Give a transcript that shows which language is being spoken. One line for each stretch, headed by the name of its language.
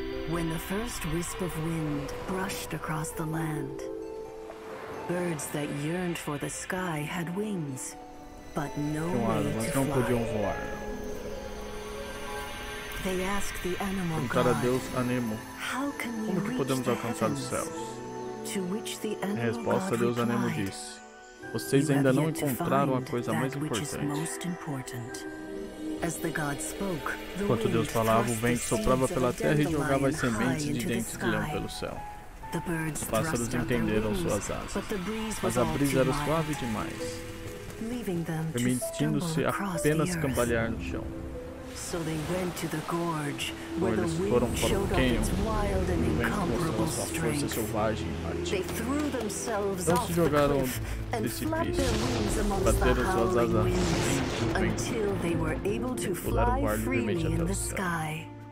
English: When the first wisp of wind brushed across the land, birds that yearned for the sky had wings, but no way to fly. They asked the animal god, how can we reach the heavens? To which the animal god replied,
Portuguese: vocês ainda não encontraram a coisa mais importante.
English: As the god spoke,
Portuguese: enquanto Deus falava, o vento soprava pela terra e jogava as sementes de dentes de leão pelo céu. Os pássaros entenderam suas asas, mas a brisa era suave demais, permitindo-se apenas cambalear no chão.
English: So they went to the gorge, where the wind showed up its wild and incomparable strength. They threw themselves off the cliff and flapped their wings amongst the howling winds until they were able to fly freely in the sky.